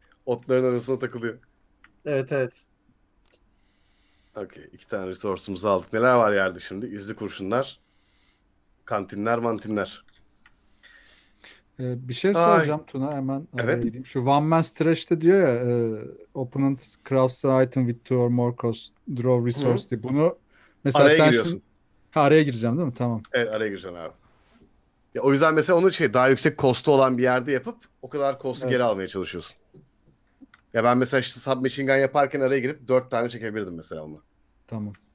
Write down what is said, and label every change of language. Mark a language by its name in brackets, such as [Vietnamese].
[Turkish] Otların arasına takılıyor. Evet evet. Okey. İki tane resource'umuzu aldık. Neler var yerde şimdi? İzli kurşunlar. Kantinler mantinler. Bir şey soracağım Tuna hemen. Evet. Şu One Man Stretch'te diyor ya. [English] Opponent crafts an item with two or more cost. [Turkish] Draw resource diye. Bunu mesela araya sen giriyorsun. Araya gireceğim değil mi? Tamam. Evet araya gireceğim abi. Ya o yüzden mesela onu şey daha yüksek kostu olan bir yerde yapıp o kadar kostu geri almaya çalışıyorsun. Ya ben mesela işte submachine gun yaparken araya girip 4 tane çekebilirdim mesela onu. Tamam.